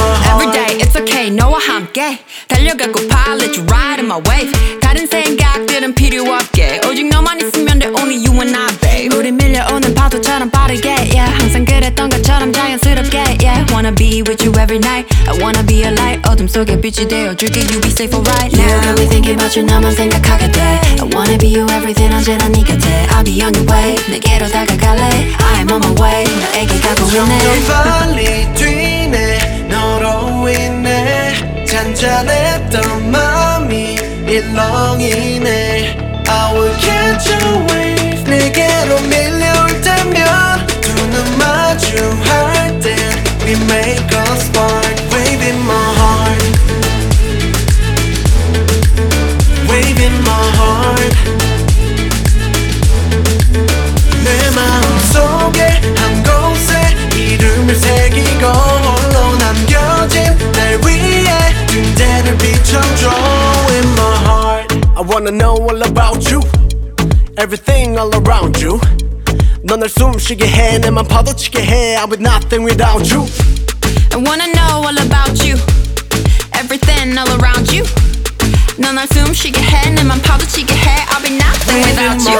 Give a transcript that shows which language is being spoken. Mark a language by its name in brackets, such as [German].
[English] Every day it's okay, [Korean] 너와 함께 달려가고파, [English] let you ride in my wave. [Korean] 다른 생각들은 필요 없게, 오직 너만 있으면 돼, [English] only you and I, babe. [Korean] 우리 밀려오는 파도처럼 빠르게, yeah. 항상 그랬던 것처럼 자연스럽게, yeah. [English] Wanna be with you every night. I wanna be a light. [Korean] 어둠 속에 빛이 되어줄게. [English] You be safe alright now. You got me thinking about you, [Korean] 너만 생각하게 돼. [English] I wanna be you everything, [Korean] 언제나 네 곁에. [English] I'll be on your way, [Korean] 내게로 다가갈래. [English] I'm on my way, [Korean] 너에게 가고 있네. 점점 빨리 뛰네, 너로 인해. 잔잔했던 마음이 일렁이네. [English] I will catch a wave. [Korean] 내게로 밀려올 때면, 두 눈 마주할 땐, [English] we make a spark. Wave in my heart, wave in my heart. [Korean] 내 마음 속에 한 곳에 이름을 새기고, 홀로 남겨진 날 위해 등대를 비춰줘. [English] In my heart, I wanna know all about you. Everything all around you. [Korean] 넌 날 숨쉬게 해, 내 맘 파도치게 해. [English] I'm with nothing without you. I wanna know all about you. Everything all around you. [Korean] 넌 날 숨쉬게 해, 내 맘 파도치게 해. [English] I'll be nothing without you.